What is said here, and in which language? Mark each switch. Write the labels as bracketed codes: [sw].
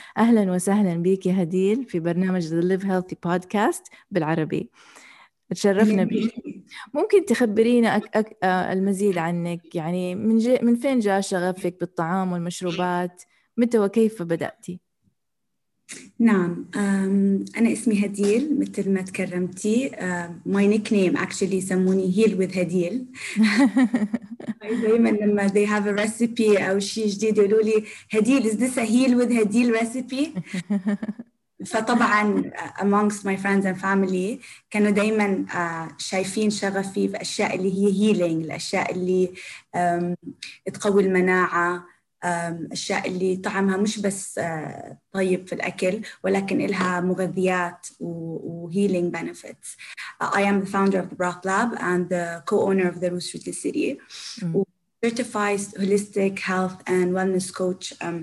[ar] أهلا وسهلا بك يا هديل في برنامج The Live Healthy Podcast بالعربي، تشرفنا بك. ممكن تخبرينا المزيد عنك، يعني من فين جاء شغفك بالطعام والمشروبات؟ متى وكيف بدأتي؟ نعم، أنا اسمي هديل مثل ما تكرمتي. [en] My nickname actually [ar] يسموني هيل [en] with هديل. [ar] دائما لما [en] they have a recipe [ar] أو شيء جديد يقولوا لي هديل [en] is this a heel with هديل recipe. [ar] فطبعا [en] amongst my friends and family [ar] كانوا دائما شايفين شغفي في أشياء اللي هي healing، الأشياء اللي تقوي المناعة، أشياء اللي طعمها مش بس طيب في الأكل ولكن إلها مغذيات و [en] healing benefits. I am the founder of the Broth Lab and the co-owner of the Roost Rooted City. Certified holistic health and wellness coach.